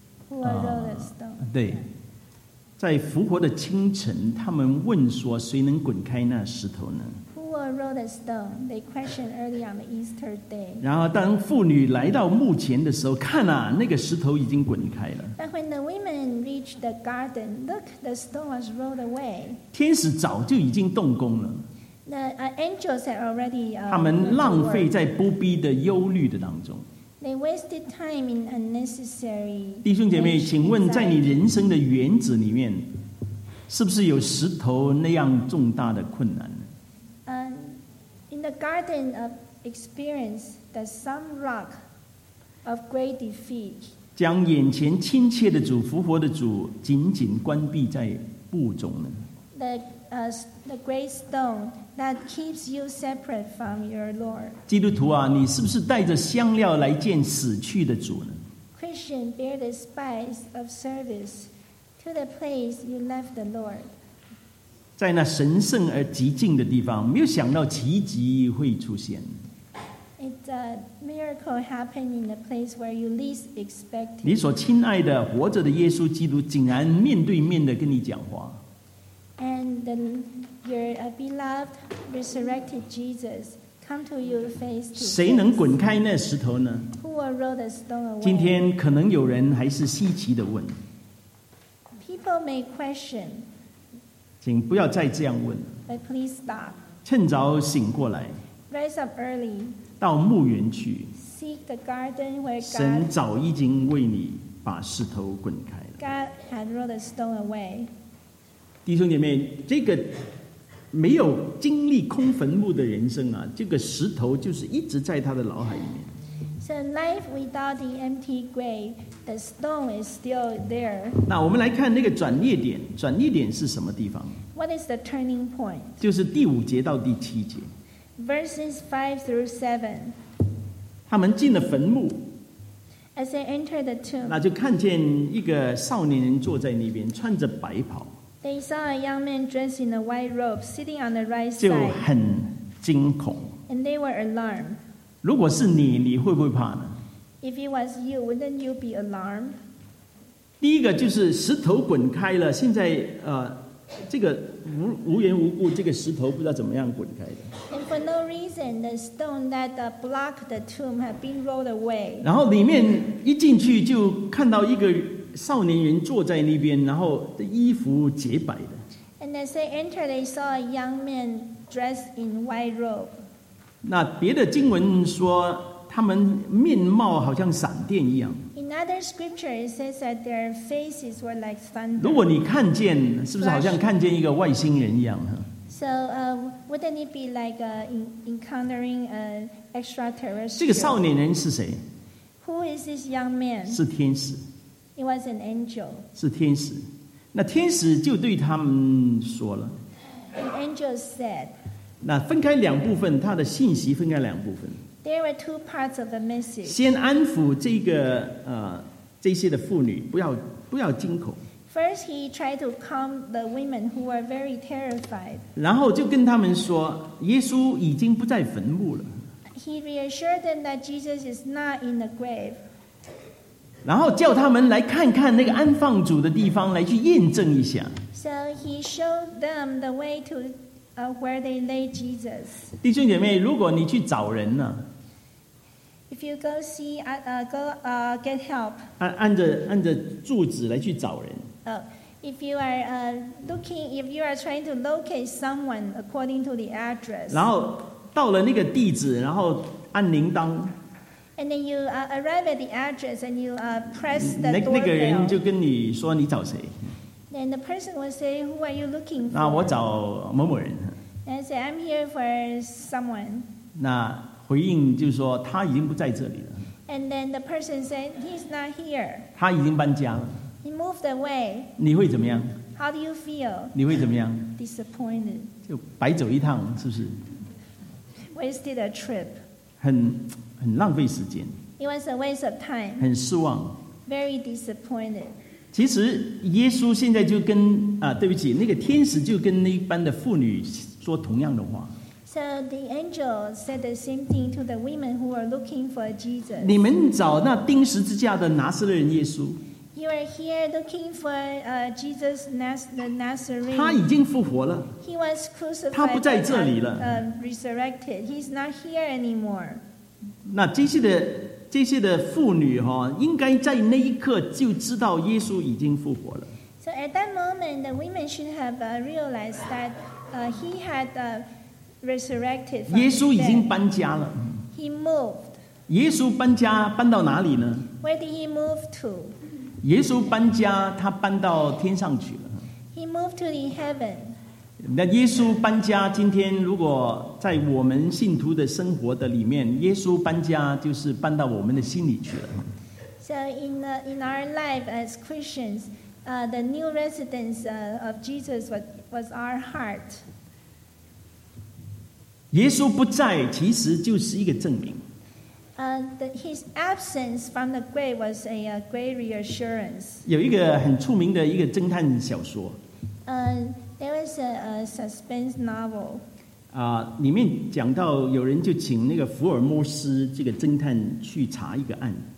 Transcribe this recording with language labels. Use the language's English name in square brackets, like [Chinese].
[English] Who Rolls the Stones? [Chinese] 对。在复活的清晨，他们问说：“谁能滚开那石头呢？” [English] Who will roll the stone? They questioned early on the Easter day. [Chinese] 然后，当妇女来到墓前的时候，看啊，那个石头已经滚开了。 [English] But when the women reached the garden, look, the stone was rolled away. [Chinese] 天使早就已经动工了。 [English] Angels had already, [Chinese] 他们浪费在不必的忧虑的当中。 [English] They wasted time in unnecessary. [Chinese] 弟兄姐妹，请问在你人生的园子里面，是不是有石头那样重大的困难？ [English] In the garden of experience, does some rock of great defeat? [Chinese] 将眼前亲切的主、复活的主紧紧关闭在腹中呢？ [English] The great stone that keeps you separate from your Lord. [Chinese] 基督徒啊，你是不是带着香料来见死去的主呢？ [English] Christian, bear the spice of service to the place you left the Lord. [Chinese] 在那神圣而极静的地方，没有想到奇迹会出现。 [English] It's a miracle happened in the place where you least expect it. [Chinese] 你所亲爱的活着的耶稣基督竟然面对面的跟你讲话。 [English] And your beloved resurrected Jesus come to you face to face. [Chinese] 谁能滚开那石头呢？ [English] Who will roll the stone away? [Chinese] 今天可能有人还是稀奇地问。 [English] People may question. [Chinese] 请不要再这样问。 [English] But please stop. [Chinese] 趁早醒过来。 [English] Rise up early. [Chinese] 到墓园去。 [English] Seek the garden where God. [Chinese] 神早已经为你把石头滚开了。 [English] God had rolled the stone away. [Chinese] 弟兄姐妹，这个没有经历空坟墓的人生啊，这个石头就是一直在他的脑海里面。 [English] So life without the empty grave, the stone is still there. [Chinese] 那我们来看那个转捩点，转捩点是什么地方 [English] ？What is the turning point? [Chinese] 就是第五节到第七节。 [English] Verses 5-7. [Chinese] 他们进了坟墓。 [English] As they entered the tomb, [Chinese] 那就看见一个少年人坐在那边，穿着白袍。 [English] They saw a young man dressed in a white robe, sitting on the right side. [Chinese] 就很惊恐。 [English] And they were alarmed. [Chinese] 如果是你，你会不会怕呢？ [English] If it was you, wouldn't you be alarmed? [Chinese] 第一个就是石头滚开了，现在这个 无缘无故这个石头不知道怎么样滚开的。 [English] And for no reason, the stone that blocked the tomb had been rolled away. [Chinese] 然后里面一进去就看到一个少年人坐在那边，然后的衣服洁白的。 [English] And as they entered, they saw a young man dressed in white robe. [Chinese] 那别的经文说他们面貌好像闪电一样。 [English] In other scripture, it says that their faces were like thunder. [Chinese] 如果你看见，是不是好像看见一个外星人一样？ [English] So, wouldn't it be like encountering an extraterrestrial? [Chinese] 这个少年人是谁？ [English] Who is this young man? [Chinese] 是天使。 [English] It was an angel. [Chinese] 是天使，那天使就对他们说了。 [English] The angel said. [Chinese] 那分开两部分，他的信息分开两部分。 [English] There were two parts of the message. [Chinese] 先安抚这个这些的妇女，不要惊恐。 [English] First, he tried to calm the women who were very terrified. [Chinese] 然后就跟他们说，耶稣已经不在坟墓了。 [English] He reassured them that Jesus is not in the grave. [Chinese] 然后叫他们来看看那个安放主的地方，来去验证一下。 [English] So he showed them the way to where they laid Jesus. [Chinese] 弟兄姐妹，如果你去找人呢、啊、 [English] ？If you go see, get help. [Chinese] 按着柱子来去找人。 [English] If you are looking, if you are trying to locate someone according to the address. [Chinese] 然后到了那个地址，然后按铃铛。 [English] And then you arrive at the address and you press the doorbell. [Chinese] 那个人就跟你说你找谁。 [English] Then the person will say, who are you looking for? [Chinese] 那我找某某人。 [English] And say, I'm here for someone. [Chinese] 那回应就说他已经不在这里了。 [English] And then the person said, he's not here. [Chinese] 他已经搬家了。 [English] He moved away. [Chinese] 你会怎么样？ [English] How do you feel? [Chinese] 你会怎么样？ [English] Disappointed. [Chinese] 就白走一趟，是不是？ [English] Wasted a trip. [Chinese] 很浪费时间。 [English] It was a waste of time. [Chinese] 很失望。 [English] Very disappointed. [Chinese] 其实耶稣现在就跟对不起，那个天使就跟那般的妇女说同样的话。 [English] So the angel said the same thing to the women who were looking for Jesus. [Chinese] 你们找那钉十字架的拿撒勒人耶稣。 [English] You are here looking for Jesus, the Nazarene. [Chinese] 他已经复活了, [English] he was crucified. [Chinese] 他不在这里了, [English] and, resurrected. He's not here anymore. [Chinese] 那这些的妇女应该在那一刻就知道耶稣已经复活了。 [English] So at that moment, the women should have realized that he had resurrected. [Chinese] 耶稣已经搬家了。 [English] He moved. [Chinese] 耶稣搬家搬到哪里呢？ [English] Where did he move to? [Chinese] 耶稣搬家, 他搬到天上去了。 [English] He moved to the heaven. [Chinese] 那耶稣搬家, 今天如果在我们信徒的生活的里面, 耶稣搬家, 就是搬到我们的心里去了。 [English] So in our life as Christians, the new residence of Jesus was our heart. [Chinese] 耶稣不在, 其实就是一个证明。 [English] His absence from the grave was a great reassurance. [Chinese] 有一个很出名的一个侦探小说。 [English] There was a suspense novel. [Chinese] 里面讲到有人就请那个福尔摩斯这个侦探去查一个案。